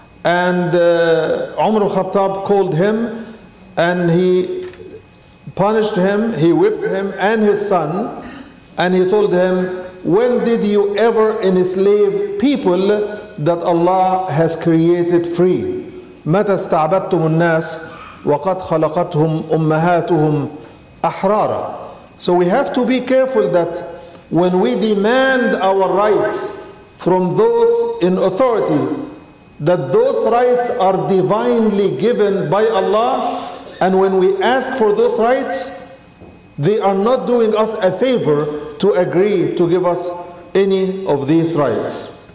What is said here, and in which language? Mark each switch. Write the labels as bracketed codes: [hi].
[en] And Umar al-Khattab called him and he punished him, he whipped him and his son, and he told him, when did you ever enslave people that Allah has created free? [ar] متى استعبدتم الناس وقد خلقتهم أمهاتهم أحرارا. [en] So we have to be careful that when we demand our rights from those in authority, that those rights are divinely given by Allah, and when we ask for those rights, they are not doing us a favor to agree to give us any of these rights.